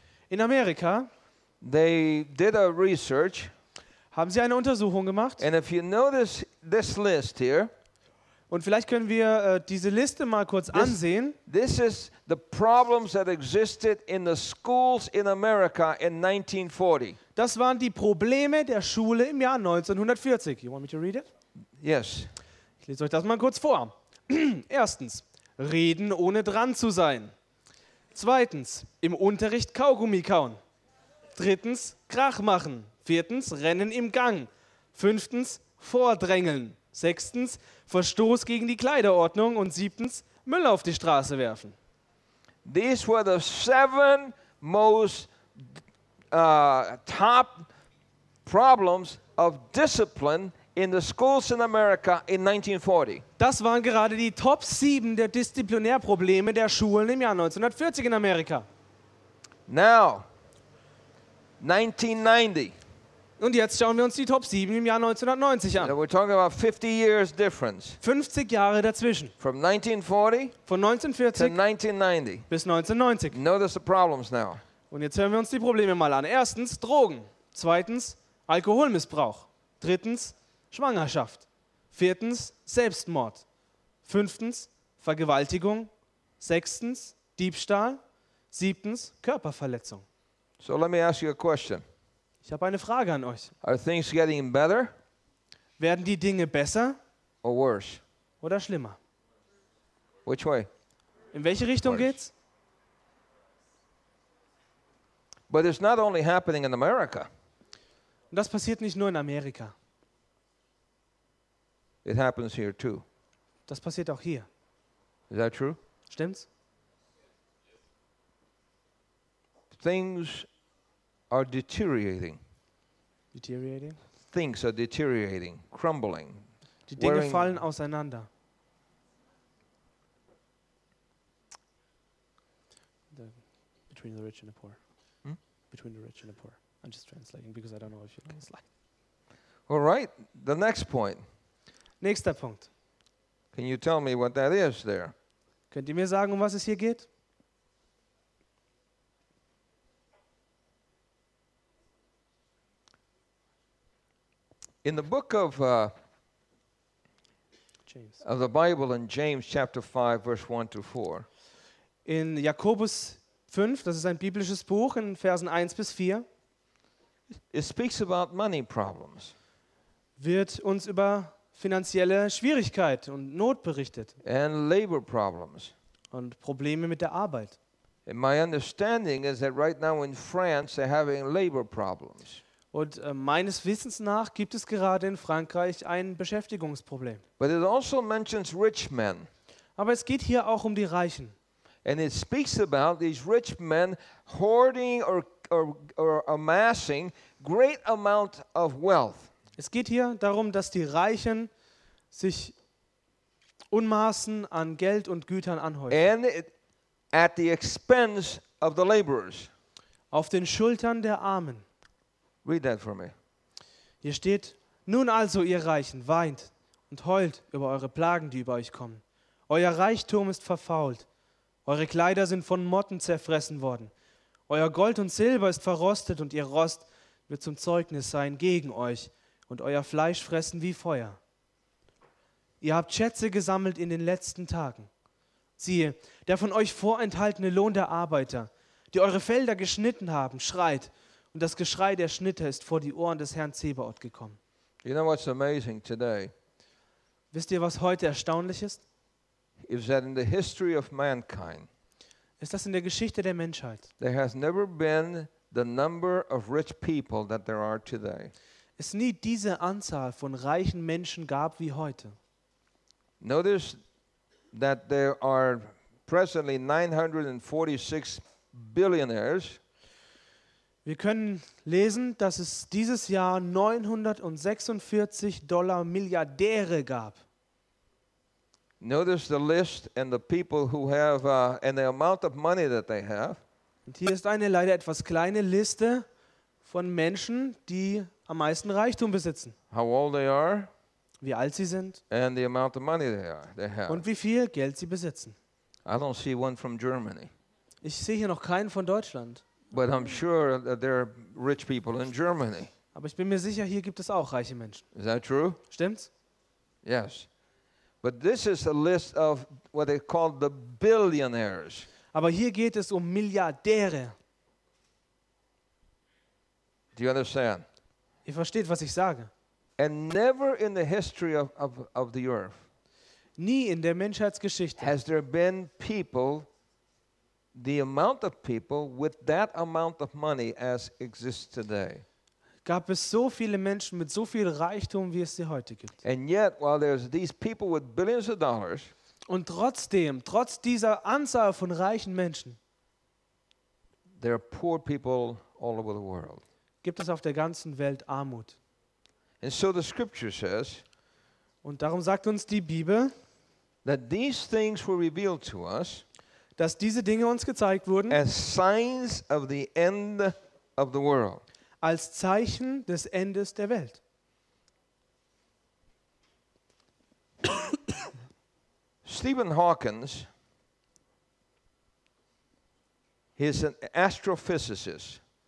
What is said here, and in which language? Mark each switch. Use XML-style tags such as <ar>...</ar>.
<en>In Amerika they did a research.</en> <de>Haben sie eine Untersuchung gemacht?</de> <en>And if you notice this list here,</en> <de>und vielleicht können wir diese Liste mal kurz ansehen.</de> <en>This is the problems that existed in the schools in America in 1940.</en> <de>Das waren die Probleme der Schule im Jahr 1940.</de> <en>You want me to read it? Yes.</en> <de>Ich lese euch das mal kurz vor. Erstens, reden ohne dran zu sein. Zweitens, im Unterricht Kaugummi kauen. Drittens, Krach machen. Viertens, Rennen im Gang. Fünftens, Vordrängeln. Sechstens, Verstoß gegen die Kleiderordnung. Und siebtens, Müll auf die Straße werfen.</de> <en>These were the seven most top problems of discipline in the schools in America in 1940.</en> <de>Das waren gerade die Top 7 der Disziplinärprobleme der Schulen im Jahr 1940 in Amerika.</de> <en>Now, 1990.</en> <de>Und jetzt schauen wir uns die Top 7 im Jahr 1990 an.</de> <en>We're talking about 50 years difference.</en> <de>50 Jahre dazwischen.</de> <en>From 1940</en> <de>von 1940</de> <en>to 1990.</en> <de>Bis 1990.</de> <en>Notice the problems now.</en> <de>Und jetzt hören wir uns die Probleme mal an. Erstens Drogen. Zweitens Alkoholmissbrauch. Drittens Schwangerschaft. Viertens Selbstmord. Fünftens Vergewaltigung. Sechstens Diebstahl. Siebtens Körperverletzung.</de> <en>So let me ask you a question.</en> <de>Ich habe eine Frage an euch.</de> <en>Are things getting better?</en> <de>Werden die Dinge besser?</de> <en>Or worse?</en> <de>Oder schlimmer?</de> <en>Which way?</en> <de>In welche Richtung</de> <en>worse.</en> <de>Geht's?</de> <en>But it's not only happening in America.</en> <de>Und das passiert nicht nur in Amerika.</de> <en>It happens here too.</en> <de>Das passiert auch hier.</de> <en>Is that true?</en> <de>Stimmt's?</de> <en>Things are deteriorating. Deteriorating? Things are deteriorating, crumbling.</en> <de>Die Dinge</de> <en>wearing,</en> <de>fallen auseinander.</de> <en>Between the rich and the poor. Between the rich and the poor. I'm just translating because I don't know if you know. All right, the next point.</en> <de>Nächster Punkt.</de> <en>Can you tell me what that is there?</en> <de>Könnt ihr mir sagen, um was es hier geht?</de> <en>In the book of James. Of the Bible in James chapter 5 verse 1 to 4.</en> <de>In Jakobus 5, das ist ein biblisches Buch in Versen 1 bis 4.</de> <en>It speaks about money problems.</en> <de>Wird uns über finanzielle Schwierigkeit und Not berichtet.</de> <en>And labor problems.</en> <de>Und Probleme mit der Arbeit.</de> <en>And my understanding is that right now in France they're having labor problems.</en> <de>Und meines Wissens nach gibt es gerade in Frankreich ein Beschäftigungsproblem.</de> <en>But it also mentions rich men.</en> <de>Aber es geht hier auch um die Reichen.</de> <en>And it speaks about these rich men hoarding or amassing great amount of wealth.</en> <de>Es geht hier darum, dass die Reichen sich Unmaßen an Geld und Gütern anhäufen.</de> <en>And at the expense of the laborers.</en> <de>Auf den Schultern der Armen.</de> <en>Read that for me.</en> <de>Hier steht, nun also, ihr Reichen, weint und heult über eure Plagen, die über euch kommen. Euer Reichtum ist verfault. Eure Kleider sind von Motten zerfressen worden. Euer Gold und Silber ist verrostet und ihr Rost wird zum Zeugnis sein gegen euch und euer Fleisch fressen wie Feuer. Ihr habt Schätze gesammelt in den letzten Tagen. Siehe, der von euch vorenthaltene Lohn der Arbeiter, die eure Felder geschnitten haben, schreit, und das Geschrei der Schnitter ist vor die Ohren des Herrn Zebaoth gekommen.</de> <en>You know what's amazing today?</en> <de>Wisst ihr, was heute erstaunlich ist?</de> <en>Is that in the history of mankind?</en> <de>Ist das in der Geschichte der Menschheit?</de> <en>There has never been the number of rich people that there are today.</en> <de>Es nie diese Anzahl von reichen Menschen gab wie heute.</de> <en>Notice that there are presently 946 billionaires.</en> <de>Wir können lesen, dass es dieses Jahr 946 Dollar Milliardäre gab.</de> <en>Notice the list and the people who have and the amount of money that they have.</en> <de>Und hier ist eine leider etwas kleine Liste von Menschen, die am meisten Reichtum besitzen.</de> <en>How old they are?</en> <de>Wie alt sie sind?</de> <en>And the amount of money they have.</en> <de>Und wie viel Geld sie besitzen?</de> <en>I don't see one from Germany.</en> <de>Ich sehe hier noch keinen von Deutschland.</de> <en>But I'm sure that there are rich people in Germany.</en> <de>Aber ich bin mir sicher, hier gibt es auch reiche Menschen.</de> <en>Is that true?</en> <de>Stimmt's?</de> <en>Yes. But this is a list of what they call the billionaires.</en> <de>Aber hier geht es um Milliardäre.</de> <en>Do you understand?</en> <de>Ihr versteht, was ich sage.</de> <en>And never in the history of the earth.</en> <de>Nie in der Menschheitsgeschichte.</de> <en>Has there been people the amount of people with that amount of money as exists today.</en> <de>Gab es so viele Menschen mit so viel Reichtum, wie es sie heute gibt.</de> <en>And yet, while there's these people with billions of dollars,</en> <de>und trotzdem, trotz dieser Anzahl von reichen Menschen,</de> <en>there are poor people all over the world.</en> <de>gibt es auf der ganzen Welt Armut.</de> <en>And so the scripture says,</en> <de>und darum sagt uns die Bibel,</de> <en>that these things were revealed to us,</en> <de>dass diese Dinge uns gezeigt wurden,</de> <en>as signs of the end of the world.</en> <de>Als Zeichen des Endes der Welt.</de> <en>Stephen Hawking, he is an astrophysicist.</en>